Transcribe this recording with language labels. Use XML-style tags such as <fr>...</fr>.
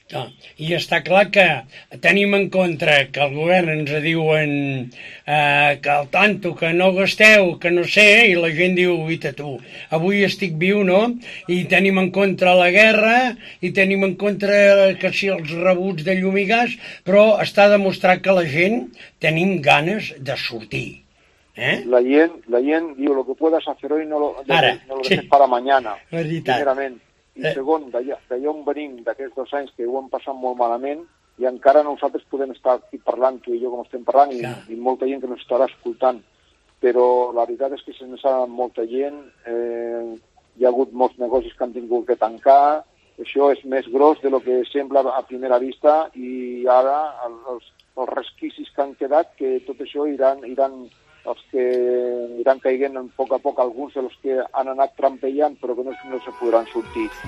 <ca>Ah, i està clar que tenim en contra que el govern ens diuen que el tanto, que no gasteu, que no sé, i la gent diu, vita tu, avui estic viu, no? I tenim en contra la guerra, i tenim en contra que si els rebuts de llum i gas, però està demostrat que la gent tenim ganes de sortir. ¿Eh? La gent diu,</ca> <es>lo que puedas hacer hoy no lo dejes para mañana.</es> <ca>Primerament. I segon, d'allà on venim, d'aquests dos anys que ho hem passat molt malament, i encara nosaltres podem estar aquí parlant, tu i jo com estem parlant, i molta gent que ens estarà escoltant. Però la veritat és que se n'ha anat molta gent, hi ha hagut molts negocis que han tingut que tancar, això és més gros de lo que sembla a primera vista, i ara els resquicis que han quedat, que tot això iran els que aniran caiguent a poc a poc, alguns dels que han anat trampejant, però que no se podran sortir.</ca>